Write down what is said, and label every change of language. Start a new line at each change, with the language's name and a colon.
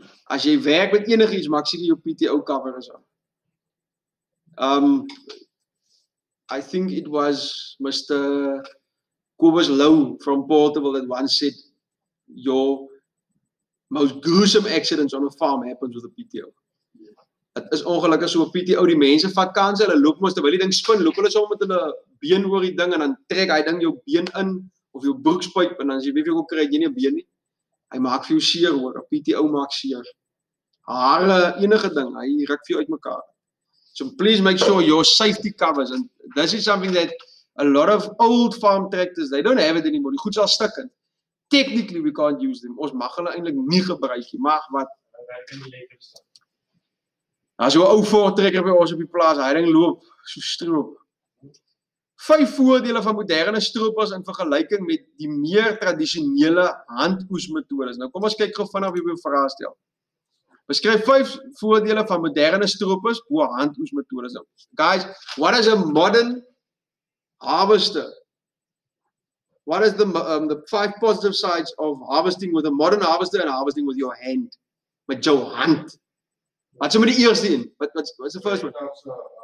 Afrikaans: As jy werk met enigiets, maak seker jou PTO cover is aan.
English: I think it was Mr. Kobus Lou from Portable that once said your most gruesome accidents on a farm happens with a PTO.
Afrikaans: Het is ongelukkig so 'n PTO, die mense vat kans, hulle loop mos terwyl die ding spin, loop hulle sommer met hulle been oor die ding en dan trek hy ding jou been in of jou broekspyp en dan as jy weet hoe kry jy nie 'n been nie. Hy maak vir jou seer hoor, 'n PTO maak seer. Hare enige ding, hy ruk vir jou uitmekaar.
English: So please make sure your safety covers and this is something that a lot of old farm tractors, they don't have it anymore.
Afrikaans: Die goed sal stik in.
English: Technically we can't use them.
Afrikaans: Ons mag hulle eintlik nie gebruik nie, maar wat as jou ou voortrekker by ons op die plaas, hy ding loop so stroop. 5 voordele van moderne stroopers in vergelyking met die meer tradisionele handoesmetodes. Nou kom ons kyk gou vanaf hierdie vraestel. Beskryf 5 voordele van moderne stroopers bo handoesmetodes.
English: Guys, what is a modern harvester? What is the 5 positive sides of harvesting with a modern harvester and harvesting with your hand?
Afrikaans: Met jou hand. Wat is met die eerste een? Wat is die
English: first one?